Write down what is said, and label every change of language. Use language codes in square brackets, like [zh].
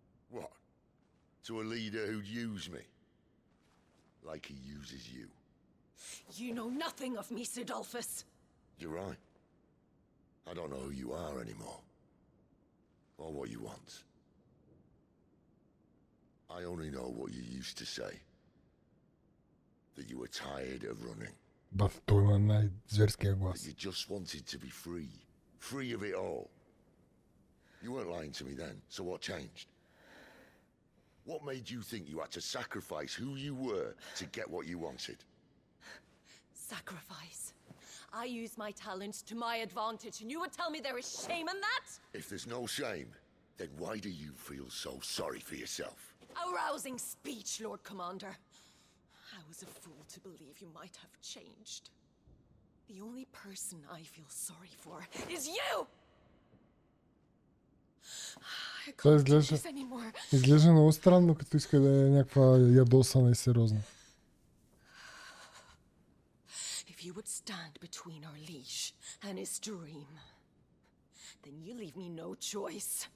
[en] What? To a leader who'd use me? Like he uses you. You know nothing of me, Sidolphus. You're right. I don't know who you are anymore, or what you want. I only know what you used to say. That you were tired of running. But [bg] той има най-зверския глас. [en] You just wanted to be free. Free of it all. You weren't lying to me then, so what changed? What made you think you had to sacrifice who you were to get what you wanted? Sacrifice? I use my talents to my advantage, and you would tell me there is shame in that? If there's no shame, then why do you feel so sorry for yourself? A rousing speech, Lord Commander. I was a fool to believe you might have changed. The only person I feel sorry for is you! [bg] Той изглежда, изглежда много странно, като иска да е някаква ядосана и сериозна. [en] If you would stand between our leash and his dream, then you leave me no choice.